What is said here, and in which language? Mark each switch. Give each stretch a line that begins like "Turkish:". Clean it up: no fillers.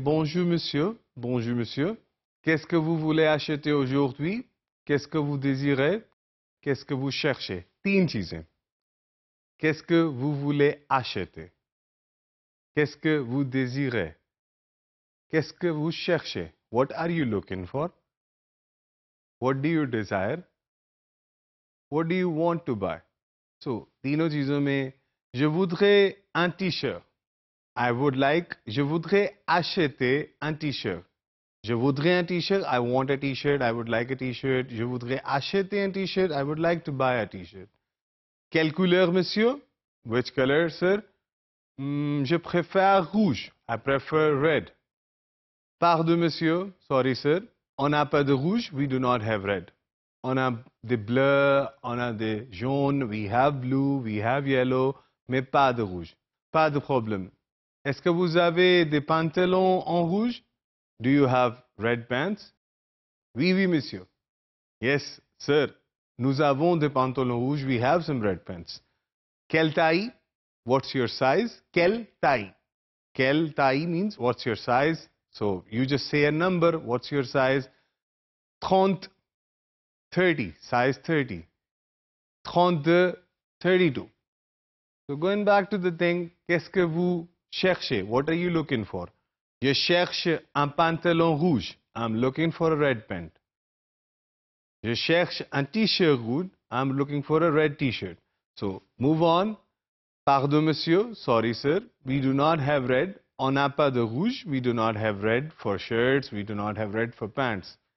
French: Bonjour monsieur, qu'est-ce que vous voulez acheter aujourd'hui? Qu'est-ce que vous désirez? Qu'est-ce que vous cherchez?
Hindi: Teen cheeze.
French: Qu'est-ce que vous voulez acheter? Qu'est-ce que vous désirez? Qu'est-ce que vous cherchez?
English: What are you looking for? What do you desire? What do you want to buy?
French: So,
Hindi: teenon cheezon mein,
French: je voudrais un t-shirt.
English: I would like,
French: je voudrais acheter un t-shirt. Je voudrais un t-shirt,
English: I want a t-shirt, I would like a t-shirt.
French: Je voudrais acheter un t-shirt,
English: I would like to buy a t-shirt.
French: Quelle couleur, monsieur?
English: Which color, sir?
French: Je préfère rouge.
English: I prefer red.
French: Pardon, monsieur.
English: Sorry, sir.
French: On n'a pas de rouge,
English: we do not have red.
French: On a des bleus, on a des jaunes,
English: we have blue, we have yellow,
French: mais pas de rouge. Pas de problème. Est-ce que vous avez des pantalons en rouge?
English: Do you have red pants?
French: Oui, oui, monsieur.
English: Yes, sir.
French: Nous avons des pantalons rouges.
English: We have some red pants.
French: Quelle taille?
English: What's your size? Quelle taille? Quelle taille means what's your size? So, you just say a number. What's your size? 30. 30. Size 30. 32. 32. So, going back to the thing.
French: Qu'est-ce que vous cherchez?
English: What are you looking for?
French: Je cherche un pantalon rouge.
English: I'm looking for a red pant.
French: Je cherche un t-shirt rouge.
English: I'm looking for a red t-shirt. So, move on.
French: Pardon, monsieur.
English: Sorry, sir. We do not have red.
French: On n'a pas de rouge.
English: We do not have red for shirts. We do not have red for pants.